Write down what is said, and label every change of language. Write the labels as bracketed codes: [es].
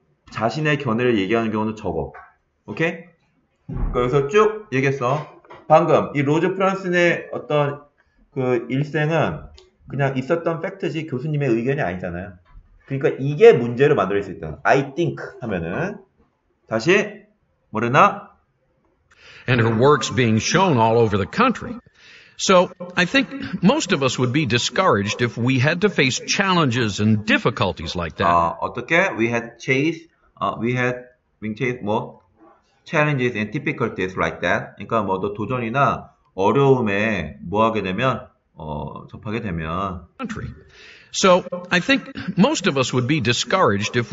[ko] 자신의 견해를 얘기하는 경우는 적어. 오케이? 그러니까 여기서 쭉 얘기했어. 방금 이 로즈 프란슨의 어떤 그 일생은 그냥 있었던 팩트지 교수님의 의견이 아니잖아요. 그러니까 이게 문제를 만들 수 있다. I think 하면은 다시 뭐랬나? [en] And her works being shown all over the country. So, I think most of us would be discouraged if we had to face challenges and difficulties like that. [ko] 어떻게? [en] We had chase 뭐 challenges and difficulties like that. [ko] 그러니까 뭐 더 도전이나 어려움에 뭐 하게 되면 접하게 되면 [en] country. So, I think most of us would be discouraged if